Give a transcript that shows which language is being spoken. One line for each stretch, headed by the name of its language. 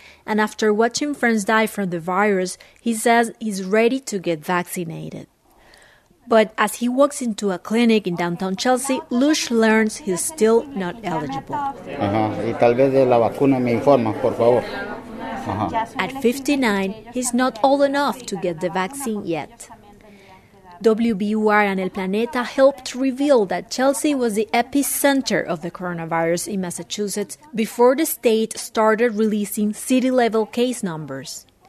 English: And after watching friends die from the virus, he says he's ready to get vaccinated. But as he walks into a clinic in downtown Chelsea, Lush learns he's still not eligible.
Spanish: Y tal vez de la vacuna me informas, por favor.
English: At 59, he's not old enough to get the vaccine yet. WBUR and El Planeta helped reveal that Chelsea was the epicenter of the coronavirus in Massachusetts before the state started releasing city-level case numbers.